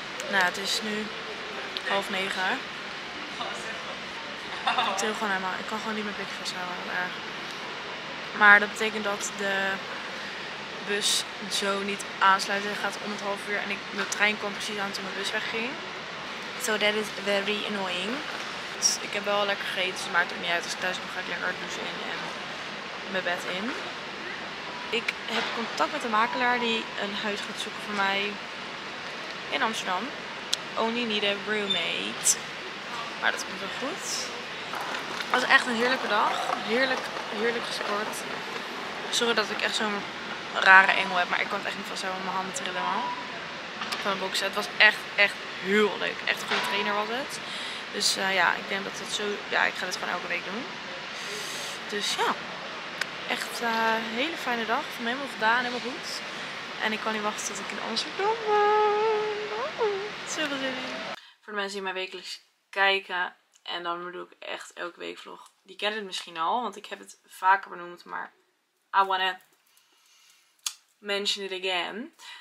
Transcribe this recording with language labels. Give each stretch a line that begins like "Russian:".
Dutch: Nou, het is nu 8:30. Ik tril gewoon helemaal. Ik kan gewoon niet mijn blikje vasthouden. Maar dat betekent dat de bus zo niet aansluit. Het gaat om 8:30 en de trein kwam precies aan toen mijn bus wegging.
English: So that is very annoying.
Dutch: Dus ik heb wel lekker gegeten, dus het maakt ook niet uit. Als ik thuis kom, ga ik lekker douchen in en mijn bed in. Ik heb contact met een makelaar die een huis gaat zoeken voor mij in Amsterdam.
English: Only need a roommate.
Dutch: Maar dat komt wel goed. Het was echt een heerlijke dag. Heerlijk, heerlijk gesport. Sorry dat ik echt zo'n rare engel heb, maar ik kon het echt niet van zo met mijn handen trillen. Man. Van boksen. Het was echt, echt heel leuk. Echt een goede trainer was het. Dus ja, ik denk dat het zo. Ja, ik ga dit gewoon elke week doen. Dus ja, echt een hele fijne dag. Van helemaal gedaan, helemaal goed. En ik kan niet wachten tot ik in Amsterdam ben. Zoveel zin in. Voor de mensen die mij wekelijks kijken. En dan bedoel ik echt elke week vlog. Die kennen het misschien al, want ik heb het vaker benoemd. Maar
English: I wanna mention it again.